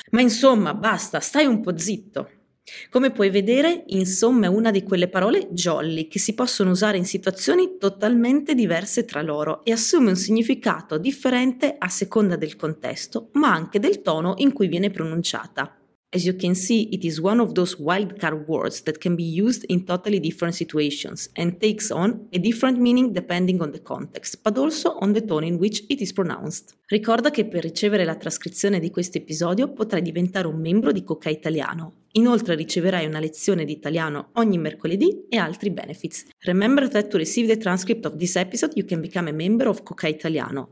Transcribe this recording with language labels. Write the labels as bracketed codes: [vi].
[it] Ma insomma, basta, stai un po' zitto. Come puoi vedere, insomma è una di quelle parole jolly che si possono usare in situazioni totalmente diverse tra loro e assume un significato differente a seconda del contesto, ma anche del tono in cui viene pronunciata. [en] As you can see, it is one of those wildcard words that can be used in totally different situations and takes on a different meaning depending on the context, but also on the tone in which it is pronounced. [it] Ricorda che per ricevere la trascrizione di questo episodio potrai diventare un membro di Cooké Italiano. Inoltre riceverai una lezione di italiano ogni mercoledì e altri benefits. [en] Remember that to receive the transcript of this episode you can become a member of Cooké Italiano.